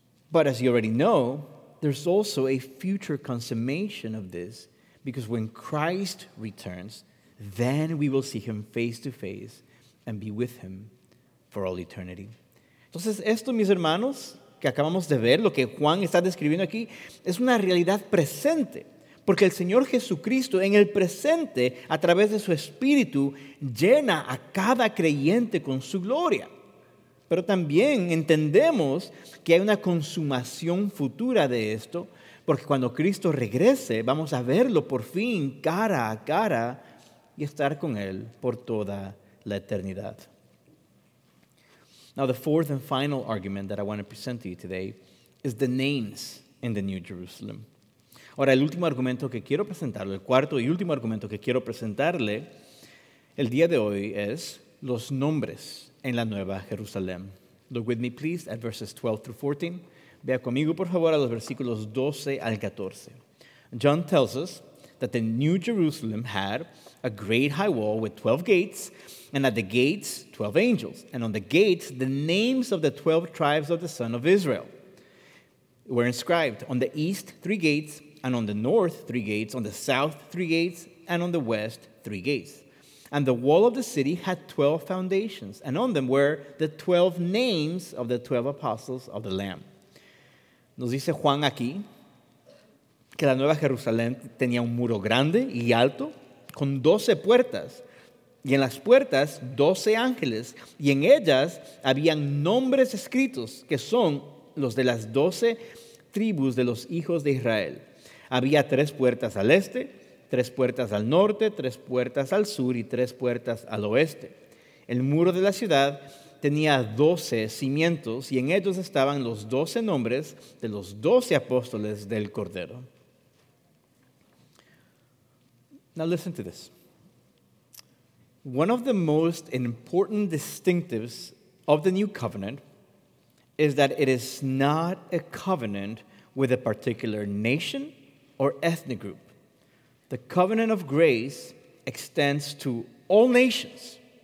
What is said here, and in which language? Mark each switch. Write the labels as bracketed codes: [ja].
[en] But as you already know, there's also a future consummation of this because when Christ returns, then we will see him face to face and be with him for all eternity. [es] Entonces, esto, mis hermanos, que acabamos de ver, lo que Juan está describiendo aquí, es una realidad presente, porque el Señor Jesucristo en el presente, a través de su Espíritu, llena a cada creyente con su gloria. Pero también entendemos que hay una consumación futura de esto, porque cuando Cristo regrese, vamos a verlo por fin cara a cara y estar con Él por toda la eternidad. [en] Now, the fourth and final argument that I want to present to you today is the names in the New Jerusalem. [es] Ahora, el último argumento que quiero presentarle, el cuarto y último argumento que quiero presentarle el día de hoy es los nombres en la Nueva Jerusalén. [en] Look with me, please, at verses 12 through 14. [es] Vea conmigo, por favor, a los versículos 12 al 14. [en] John tells us that the New Jerusalem had a great high wall with 12 gates, and at the gates, 12 angels. And on the gates, the names of the 12 tribes of the son of Israel were inscribed. On the east, 3 gates. And on the north, 3 gates. On the south, 3 gates. And on the west, 3 gates. And the wall of the city had 12 foundations, and on them were the 12 names of the 12 apostles of the Lamb. [es] Nos dice Juan aquí que la Nueva Jerusalén tenía un muro grande y alto con 12 puertas, y en las puertas 12 ángeles, y en ellas habían nombres escritos que son los de las 12 tribus de los hijos de Israel. Había 3 puertas al este, 3 puertas al norte, 3 puertas al sur y 3 puertas al oeste. El muro de la ciudad tenía 12 cimientos y en ellos estaban los 12 nombres de los 12 apóstoles del Cordero. [en] Now listen to this. One of the most important distinctives of the New Covenant is that it is not a covenant with a particular nation or ethnic group. The covenant of grace extends to all nations.